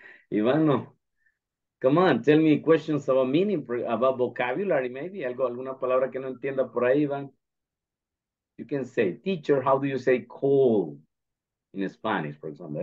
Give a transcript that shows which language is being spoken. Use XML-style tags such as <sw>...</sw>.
<en>Ivano, come on, tell me questions about meaning, about vocabulary, maybe.</en> <es>Algo, alguna palabra que no entienda por ahí, Iván.</es> <en>You can say, teacher, how do you say cold in Spanish, for example?</en>